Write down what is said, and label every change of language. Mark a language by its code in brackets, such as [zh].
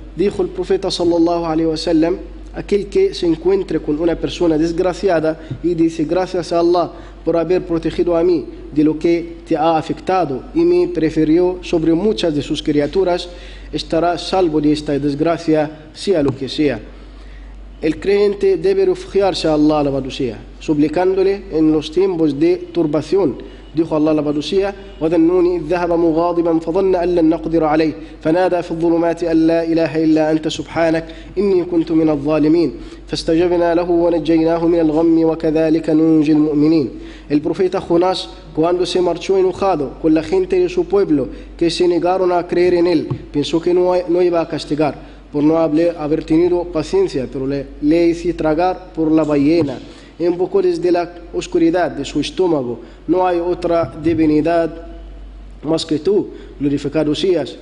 [es] Dijo el profeta sallallahu alaihi wasallam: aquel que se encuentre con una persona desgraciada y dice: gracias a Allah por haber protegido a mí de lo que te ha afectado y me prefirió sobre muchas de sus criaturas, estará salvo de esta desgracia, sea lo que sea. El creyente debe refugiarse a Allah la Badusía, suplicándole en los tiempos de turbación. Dijo Allah la Badusía: [ar] وَذَنُّونِ إِذْ ذَهَبَ مُغَاضِبًا فَظَنَّ أَلَّا نَقْدِرَ عَلَيْهِ فَنَادَى فِي الظُّلُمَاتِ أَلَّا إِلَهَ إِلَّا أَنْتَ سُبْحَانَكَ إِنِّي كُنْتُ مِنَ الظَّالِمِينَ فَاسْتَجَبْنَا لَهُ وَنَجَّيْنَاهُ مِنَ الْغَمِّ وَكَذَلِكَ نُنْجِي الْمُؤْمِنِينَ. [es] El profeta Jonás, cuando se marchó enojado con la gente de su pueblo que se negaron a creer en él, pensó que no iba a castigar por no haber tenido paciencia, pero le hice tragar por la ballena. Invocó desde la oscuridad de su estómago: no hay otra divinidad más que tú, glorificado seas.